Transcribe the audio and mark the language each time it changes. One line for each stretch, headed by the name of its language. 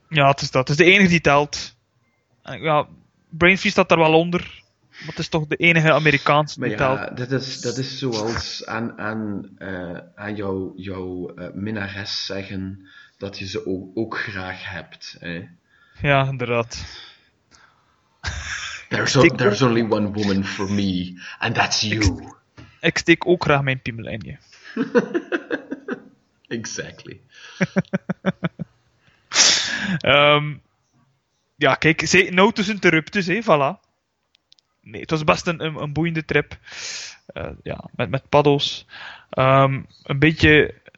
Dutch: Ja, het is dat. Het is de enige die telt. Ja, Brainfeest staat daar wel onder. Maar het is toch de enige Amerikaanse metaal. Ja, dat is zoals aan jouw minnares zeggen dat je ze ook graag hebt. Hè? Ja, inderdaad.
English: There's only one woman for me, and that's you.
Dutch: Ik steek ook graag mijn piemel in je.
English: Exactly.
Dutch: ja, kijk, notus interruptus, hé, voilà. Nee, het was best een boeiende trip. Ja, met paddo's. Een beetje...